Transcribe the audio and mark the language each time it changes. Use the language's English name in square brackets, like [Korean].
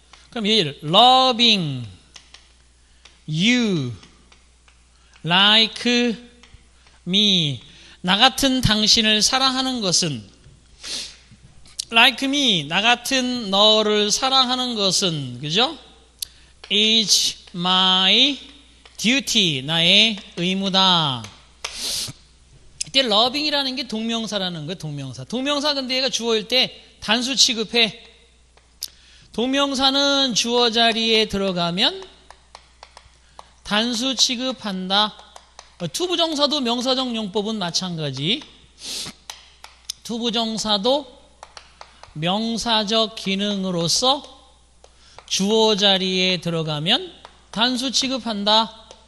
[Korean] 그럼 얘를 [English] loving you like me, [Korean] 나 같은 당신을 사랑하는 것은, [English] like me, [Korean] 나 같은 너를 사랑하는 것은, 그죠? [English] is my duty, [Korean] 나의 의무다. 이때 loving이라는 게 동명사라는 거예요, 동명사. 동명사 근데 얘가 주어일 때 단수 취급해. 동명사는 주어 자리에 들어가면 단수 취급한다. 투부정사도 명사적 용법은 마찬가지. 투부정사도 명사적 기능으로서 주어 자리에 들어가면 단수 취급한다.